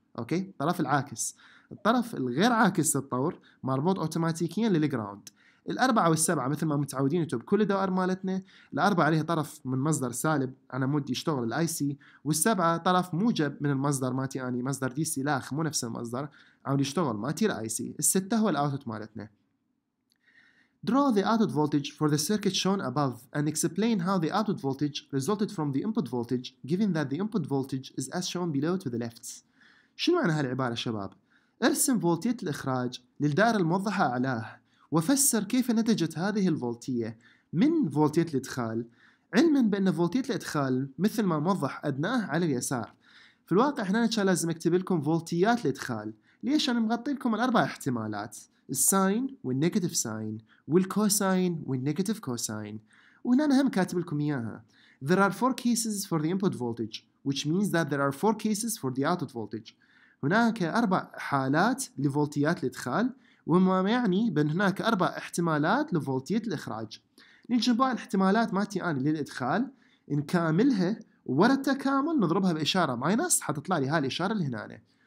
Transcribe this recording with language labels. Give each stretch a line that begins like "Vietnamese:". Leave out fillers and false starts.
Arabic: اوكي، الطرف العاكس. الطرف الغير عاكس للطور مربوط اوتوماتيكيا للجراوند. الأربعة والسبعة مثل ما متعودين يتوب كل دوائر مالتنا، الأربعة عليها طرف من مصدر سالب أنا مودي يشتغل الآي سي، والسبعة طرف موجب من المصدر ماتي أني مصدر دي سي، لاخ مو نفس المصدر عاود يشتغل ماتي الآي سي. الستة هو الأوتوت مالتنا.
English: Draw the output voltage for the circuit shown above and explain how the output voltage resulted from the input voltage given that the input voltage is as shown below to the left.
Arabic: شنو معنى هالعبارة شباب؟ ارسم فولتية الإخراج للدائرة الموضحة أعلاه وفسر كيف نتجت هذه الفولتية من فولتية الإدخال، علما بأن فولتية الإدخال مثل ما موضح أدناه على اليسار. في الواقع هنا كان لازم أكتب لكم فولتيات الإدخال، ليش؟ أنا مغطي لكم الأربع احتمالات، الساين والنيجاتيف ساين والكوساين والنيجاتيف كوساين، وهنا أنا هم كاتب لكم إياها.
English: There are four cases for the input voltage which means that there are four cases for the output voltage.
Arabic: هناك أربع حالات لفولتيات الإدخال، وما يعني بأن هناك أربع احتمالات لفولتية الإخراج. نجي نبقى الاحتمالات ماتي آني للإدخال، نكاملها ورا التكامل نضربها بإشارة ماينس حتطلع لي هاي الإشارة اللي هنا.